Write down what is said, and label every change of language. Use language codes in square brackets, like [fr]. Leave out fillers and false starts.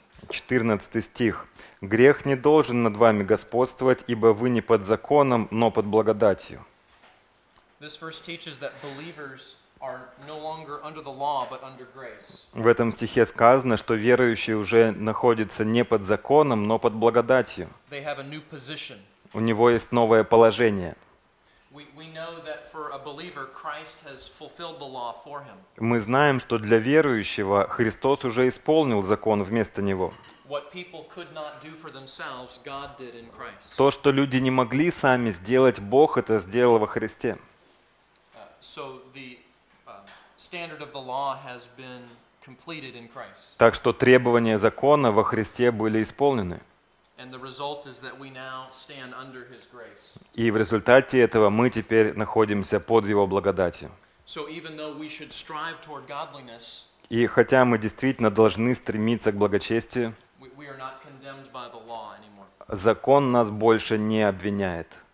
[ru] 14 стих. «Грех не должен над вами господствовать, ибо вы не под законом, но под благодатью». [en] This verse teaches that believers are no longer under the law, but under grace. [ru] В этом стихе сказано, что верующий уже находится не под законом, но под благодатью. [en] They have a new position. [ru] У него есть новое положение. [en] We know that for a believer, Christ has fulfilled the law for him. [ru] Мы знаем, что для верующего Христос уже исполнил закон вместо него. [en] What people could not do for themselves, God did in Christ. [ru] То, что люди не могли сами сделать, Бог это сделал во Христе. [en] So the standard of the law has been completed in Christ. [ru] Так что требования закона во Христе были исполнены. [en] And the result is that we now stand under His grace. [ru] И в результате этого мы теперь находимся под Его благодатью. [en] So even though we should strive toward godliness, [ru] и хотя мы действительно должны стремиться к благочестию, [en] we are not condemned by the law anymore. [ru] Закон нас больше не обвиняет.